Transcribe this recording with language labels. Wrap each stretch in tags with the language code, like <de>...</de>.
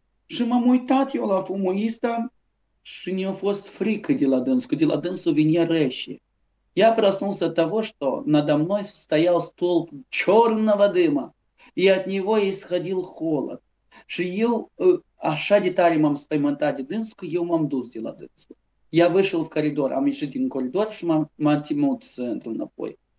<ro>Și m-am uitat eu la fumoista și mi-a fost frică de la dânsul, de la dânsul vine reșe.</ro> <ru>Я проснулся того, что надо мной стоял столб черного дыма, и от него исходил холод.</ru> <ro>Și eu, așa de tare m-am spăimântat de dânsul, eu m-am dus de la dânsul.</ro> <ru>Я вышел в коридор,</ru> <ro>am ieșit din coridor și m-am temut să intru înapoi.</ro>